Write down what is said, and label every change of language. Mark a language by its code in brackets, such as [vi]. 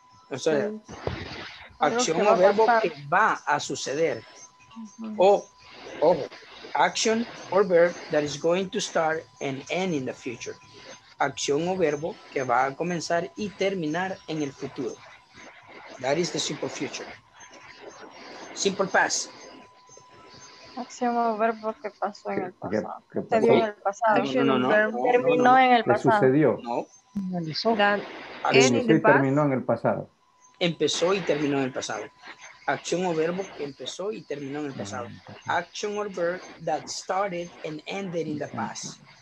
[es] O sea, acción o verbo que va a suceder. Ojo. [en] Action or verb that is going to start and end in the future. [es] Acción o verbo que va a comenzar y terminar en el futuro. [en] That is the simple future. Simple past. [es] Acción o verbo que pasó en el pasado. Se dio en el pasado. Terminó en el pasado. Sucedió. No. Empezó y terminó en el pasado. Empezó y terminó en el pasado. Acción o verbo que empezó y terminó en el pasado. [en] Action or verb that started and ended in the past.